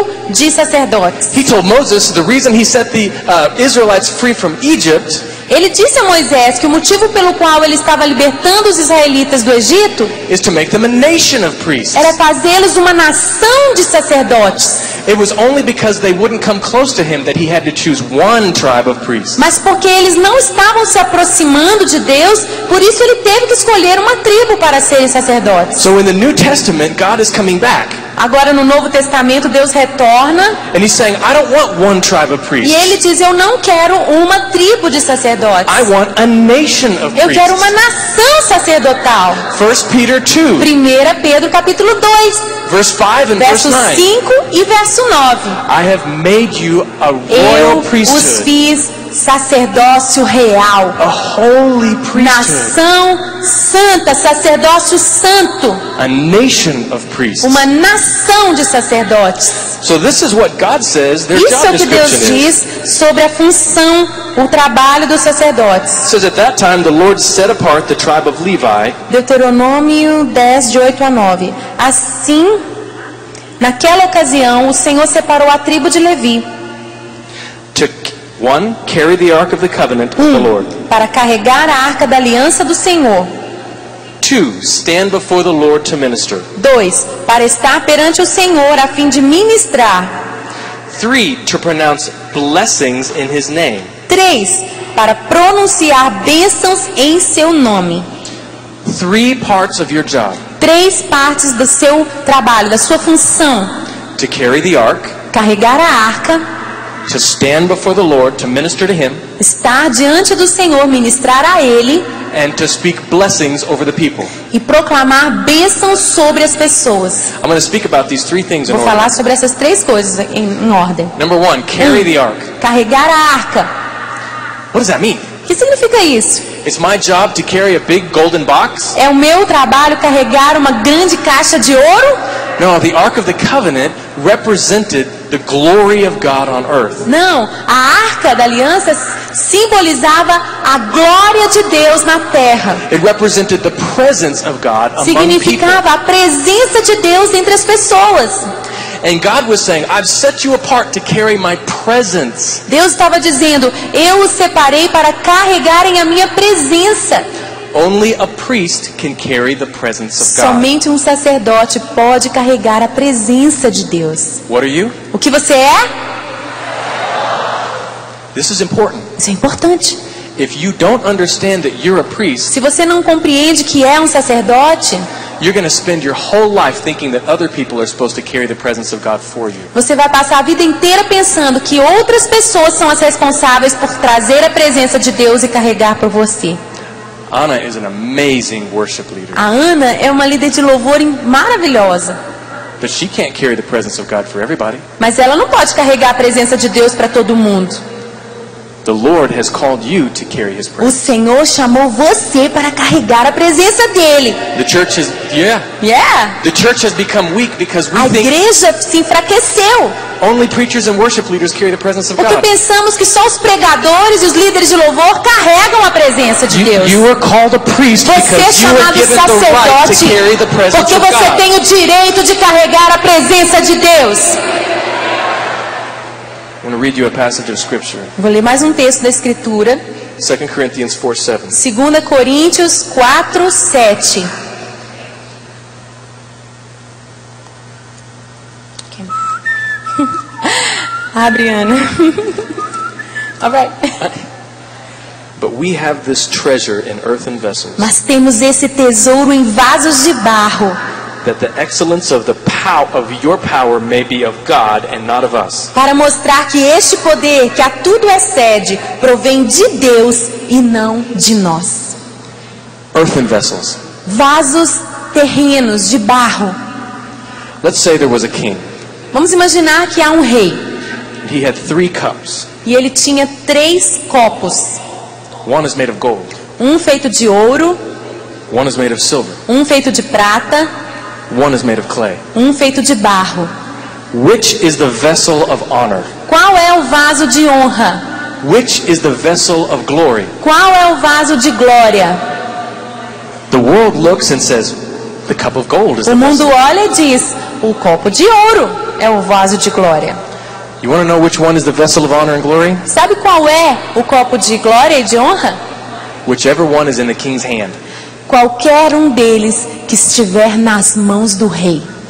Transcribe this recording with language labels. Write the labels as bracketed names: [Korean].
[English] He told Moses the reason he set the Israelites free from Egypt. [Portuguese] Ele disse a Moisés que o motivo pelo qual ele estava libertando os israelitas do Egito [English] is to make them a nation of priests. [Portuguese] Era fazê-los uma nação de sacerdotes. [English] It was only because they wouldn't come close to him that he had to choose one tribe of priests. [Portuguese] Mas porque eles não estavam se aproximando de Deus, por isso ele teve que escolher uma tribo para serem sacerdotes. [English] So in the New Testament, God is coming back. [Portuguese] Agora no Novo Testamento, Deus retorna. [English] And he's saying, I don't want one tribe of priests. [Portuguese] E ele diz, eu não quero uma tribo de sacerdotes. [English] I want a nation of priests. [Portuguese] Eu quero uma nação sacerdotal. [English] 1 Peter 2. [Portuguese] 1 Pedro capítulo 2. [English] Verse 5 and verse 9. [Portuguese] Verso 5 e verso 9. [English] I have made you a royal priesthood. [Portuguese] Eu os fiz sacerdócio real. [English] A holy priesthood. [Portuguese] Nação santa, sacerdócio santo. [English] A nation of priests. [Portuguese] Uma nação de sacerdotes. [English] So this is what God says their job description is. [Portuguese] Isso é o que Deus diz sobre a função, o trabalho dos sacerdotes. [English] It says at that time the Lord set apart the tribe of Levi. [Portuguese] Deuteronômio 10, de 8 a 9. Assim, naquela ocasião, o Senhor separou a tribo de Levi. [English] One, carry the ark of the covenant of the Lord. [Portuguese] Para carregar a arca da aliança do Senhor. [English] Two, stand before the Lord to minister. [Portuguese] Dois, para estar perante o Senhor a fim de ministrar. [English] Three, to pronounce blessings in his name. [Portuguese] Três, para pronunciar bênçãos em seu nome. [English] Three parts of your job. [Portuguese] Três partes do seu trabalho, da sua função. [English] To carry the ark. [Portuguese] Carregar a arca. [English] To stand before the Lord, to minister to him. [Portuguese] Estar diante do Senhor, ministrar a ele. [English] And to speak blessings over the people. [Portuguese] E proclamar bênçãos sobre as pessoas. [English] I'm going to speak about these three things in order. [Portuguese] Vou falar sobre essas três coisas em ordem. [English] Number one, carry the ark. [Portuguese] Carregar a arca. [English] What does that mean? [Portuguese] O que significa isso? [English] It's my job to carry a big golden box. [Portuguese] É o meu trabalho carregar uma grande caixa de ouro. [English] No, the Ark of the Covenant represented the glory of God on earth. [Portuguese] Não, a Arca da Aliança simbolizava a glória de Deus na terra. [English] It represented the presence of God among people. [Portuguese] Significava a presença de Deus entre as pessoas. [English] And God was saying, I've set you apart to carry my presence. [Portuguese] Deus estava dizendo, eu os separei para carregarem a minha presença. [English] Only a priest can carry the presence of God. [Portuguese] Somente um sacerdote pode carregar a presença de Deus. [English] What are you? [Portuguese] O que você é? [English] This is important. [Portuguese] Isso é importante. [English] If you don't understand that you're a priest, [Portuguese] se você não compreende que é um sacerdote, [English] you're going to spend your whole life thinking that other people are supposed to carry the presence of God for you. [Portuguese] Você vai passar a vida inteira pensando que outras pessoas são as responsáveis por trazer a presença de Deus e carregar para você. [English] Anna is an amazing worship leader. [Portuguese] A Ana é uma líder de louvor maravilhosa. [English] But she can't carry the presence of God for everybody. [Portuguese] Mas ela não pode carregar a presença de Deus para todo mundo. [English] The Lord has called you to carry his presence. [Portuguese] O Senhor chamou você para carregar a presença dele. [English] The church has The church has become weak because we think [Portuguese] a igreja se enfraqueceu. [English] Only preachers and worship leaders carry the presence of God. [Portuguese] Porque pensamos que só os pregadores e os líderes de louvor carregam a presença de Deus. [English] You are called a priest because you are given the right to carry the presence of God. [Portuguese] Porque você tem o direito de carregar a presença de Deus. [English] I'm going to read you a passage of scripture. [Portuguese] Vou ler mais um texto da escritura. [English] 2 Corinthians 4:7. [Portuguese] 2 Coríntios 4:7. Abre, [English] Ana. All right. But we have this treasure in earthen vessels. [Portuguese] Mas temos esse tesouro em vasos de barro. [English] That the excellence of the power of your power may be of God and not of us. [Portuguese] Para mostrar que este poder que a tudo excede provém de Deus e não de nós. [English] Earthen vessels. [Portuguese] Vasos terrenos de barro. [English] Let's say there was a king. [Portuguese] Vamos imaginar que há um rei. [English] He had three cups. [Portuguese] E ele tinha três copos. [English] One is made of gold. [Portuguese] Um feito de ouro. [English] One is made of silver. [Portuguese] Um feito de prata. [English] One is made of clay. [Portuguese] Um feito de barro. [English] Which is the vessel of honor? [Portuguese] Qual é o vaso de honra? [English] Which is the vessel of glory? [Portuguese] Qual é o vaso de glória? [English] The world looks and says, the cup of gold is the vessel. [Portuguese] O mundo olha e diz, o copo de ouro é o vaso de glória. [English] You want to know which one is the vessel of honor and glory? [Portuguese] Sabe qual é o copo de glória e de honra? [English] Whichever one is in the king's hand. [Portuguese] Qualquer um deles que estiver nas mãos do rei.